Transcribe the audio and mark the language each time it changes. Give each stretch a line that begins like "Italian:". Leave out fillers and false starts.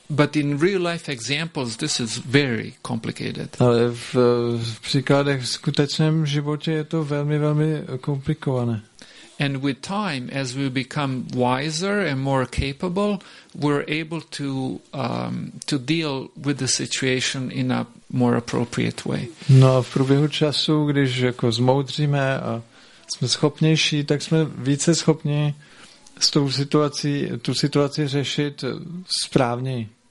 English: But in real life examples this is very complicated.
Czech: Ale v příkladech v skutečném životě je to velmi, velmi komplikované.
English: And with time, as we become wiser and more capable, we're able to deal with the situation in a more appropriate way.
Czech: No, a v průběhu času, když jako zmoudříme a jsme schopnější, tak jsme více schopni s tou situací, tu situaci řešit správněji.